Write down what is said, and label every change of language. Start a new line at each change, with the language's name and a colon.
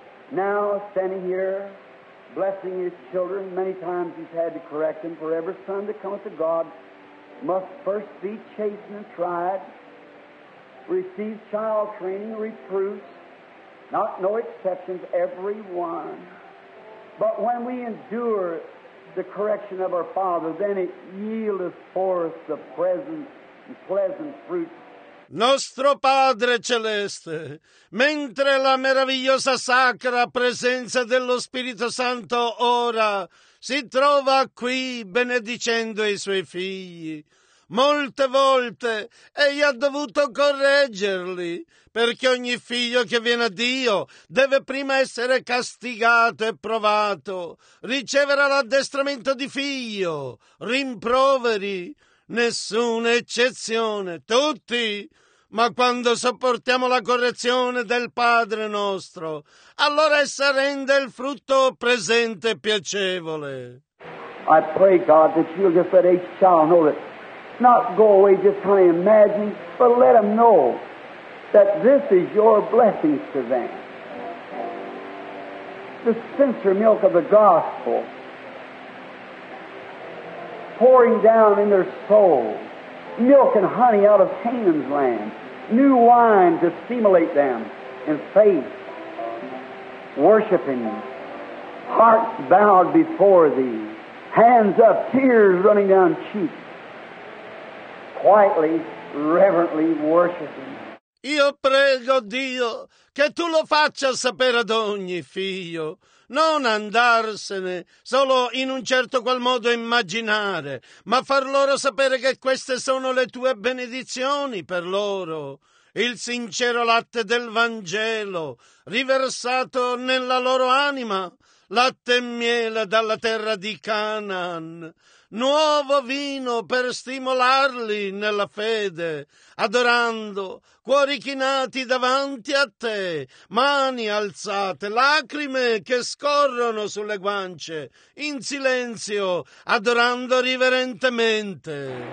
English: Now, standing here, blessing his children, many times he's had to correct them, for every son that cometh to God must first be chastened and tried, receive child training, reproof, not no exceptions, every one. But when we endure the correction of our Father, then it yieldeth forth the present and pleasant fruit.
Italian: Nostro Padre Celeste, mentre la meravigliosa sacra presenza dello Spirito Santo ora si trova qui benedicendo i suoi figli, molte volte egli ha dovuto correggerli, perché ogni figlio che viene a Dio deve prima essere castigato e provato, ricevere l'addestramento di figlio, rimproveri, nessuna eccezione, tutti. Ma quando sopportiamo la correzione del Padre nostro, allora essa rende il frutto presente e piacevole.
English: I pray, God, that you'll just let each child know that not go away just trying to imagine, but let them know that this is your blessings to them. The sincere milk of the gospel pouring down in their soul, milk and honey out of Canaan's land. New wine to stimulate them in faith, worshiping, hearts bowed before thee, hands up, tears running down cheeks, quietly, reverently worshiping.
Italian: Io prego Dio che tu lo faccia sapere ad ogni figlio. Non andarsene solo in un certo qual modo immaginare, ma far loro sapere che queste sono le tue benedizioni per loro. Il sincero latte del Vangelo, riversato nella loro anima, latte e miele dalla terra di Canaan, nuovo vino per stimolarli nella fede, adorando, cuori chinati davanti a te, mani alzate, lacrime che scorrono sulle guance, in silenzio, adorando riverentemente.